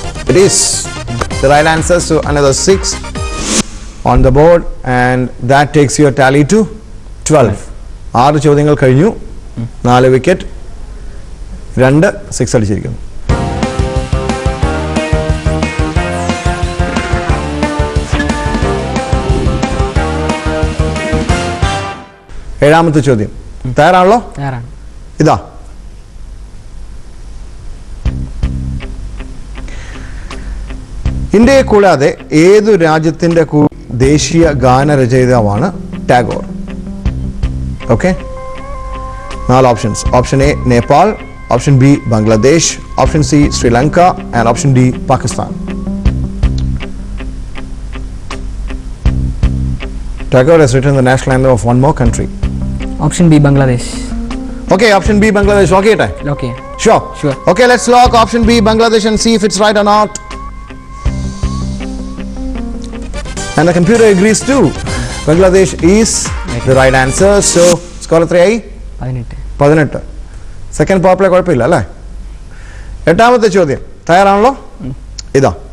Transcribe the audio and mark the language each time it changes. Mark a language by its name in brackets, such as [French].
[English] It is the right answer, so another 6 on the board, and that takes your tally to 12. [Malayalam] 6 ചോദ്യങ്ങൾ കഴിഞ്ഞു, 4 wicket, 2 6 അടിച്ചിരിക്കുന്നു. ഏഴാമത്തെ ചോദ്യം തയ്യാറാണല്ലോ? തയ്യാറാണ്. ഇതാ ഇന്ത്യയെ കൂടാതെ ഏതു രാജ്യത്തിൻ്റെ ദേശീയ ഗാനരചയിതാവാണ് ടാഗോർ? ഓക്കെ, നാല് options. Option A Nepal, option B Bangladesh, option C Sri Lanka, and option D Pakistan. [English] Tagore has written the national anthem of one more country. [Malayalam] Option B Bangladesh. Okay, option B Bangladesh. Okay ഏട്ടെ, okay [English] Sure sure. Okay, let's lock option B Bangladesh and see if it's right or not. And the computer agrees too. Bangladesh is the right answer. So, score is 18. Second power play, [Malayalam] kuzhappilla, alle? Ettamathe chodyam. Thayaranallo? Ida.